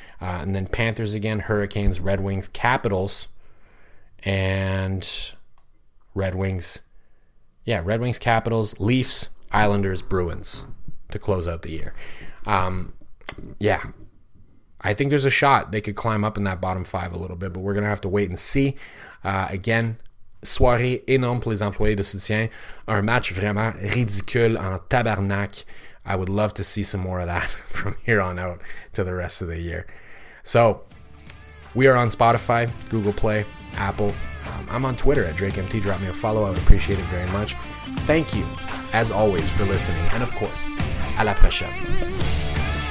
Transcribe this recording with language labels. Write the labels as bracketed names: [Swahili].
[English] And then Panthers again, Hurricanes, Red Wings, Capitals, and Red Wings. Yeah, Red Wings, Capitals, Leafs, Islanders, Bruins to close out the year. I think there's a shot they could climb up in that bottom five a little bit, but we're going to have to wait and see. [French] Again, soirée énorme pour les employés de soutien. Un match vraiment ridicule en tabarnak. [English] I would love to see some more of that from here on out to the rest of the year. So, we are on Spotify, Google Play, Apple. I'm on Twitter at DrakeMT. Drop me a follow. I would appreciate it very much. Thank you, as always, for listening. And, of course, [French] à la prochaine.